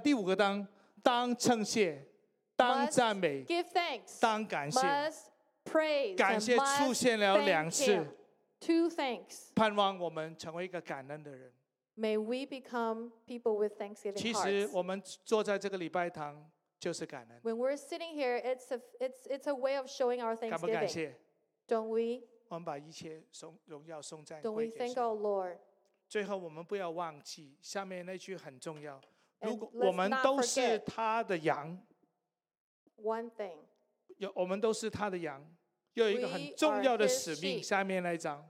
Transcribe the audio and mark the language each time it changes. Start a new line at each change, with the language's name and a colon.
Chinese: 第五个当，当称谢，当赞美，当感谢。
English: Must praise.
Chinese: 感谢出现了两次。
English: Two thanks.
Chinese: 盼望我们成为一个感恩的人。
English: May we become people with thanksgiving hearts.
Chinese: 其实我们坐在这个礼拜堂就是感恩。
English: When we're sitting here, it's a way of showing our thanksgiving.
Chinese: 感不感谢？
English: Don't we?
Chinese: 我们把一切荣耀颂赞归给
English: 神。Don't we thank our Lord?
Chinese: 最后，我们不要忘记下面那句很重要。如果我们都是他的羊
English: ，One thing.
Chinese: 我们都是他的羊。又有一个很重要的使命，下面那一章。